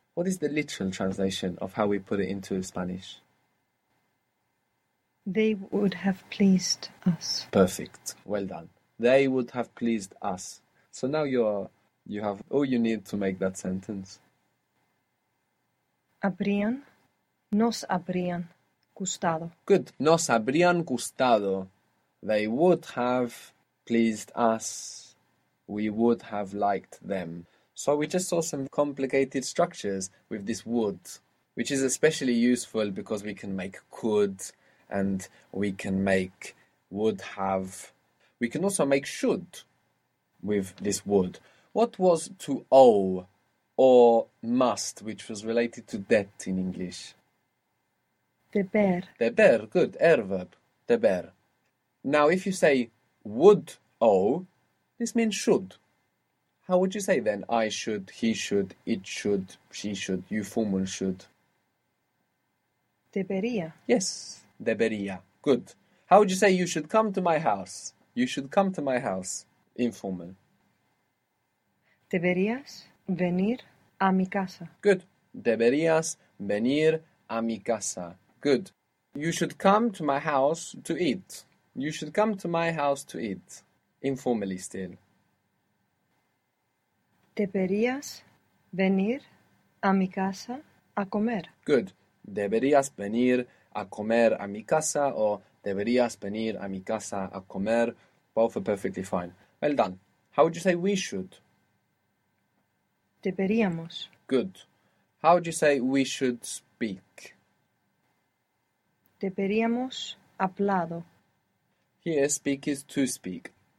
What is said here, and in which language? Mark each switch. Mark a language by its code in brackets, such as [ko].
[en] What is the literal translation of how we put it into Spanish? They would have pleased us. Perfect. Well done. They would have pleased us. So now you have all you need to make that sentence. [es] Habrían, nos habrían gustado. Good. Nos habrían gustado. [en] They would have pleased us. We would have liked them. So we just saw some complicated structures with this would, which is especially useful because we can make could and we can make would have. We can also make should with this would. What was to owe or must, which was related to debt in English? [es] Deber. Deber, good. Er verb. Deber. [en] Now, if you say would owe, this means should. How would you say then? I should, he should, it should, she should, you formal should. [es] Debería. [en] Yes, debería. Good. How would you say you should come to my house? You should come to my house. Informal. [es] Deberías venir a mi casa. [en] Good. [es] Deberías venir a mi casa. [en] Good. You should come to my house to eat. You should come to my house to eat. Informally still. [es] Deberías venir a mi casa a comer. [en] Good. [es] Deberías venir a comer a mi casa or deberías venir a mi casa a comer. [en] Both are perfectly fine. Well done. How would you say we should? [es] Deberíamos. [en] Good. How would you say we should speak? [es] Deberíamos hablado. [en] Here, speak is to speak.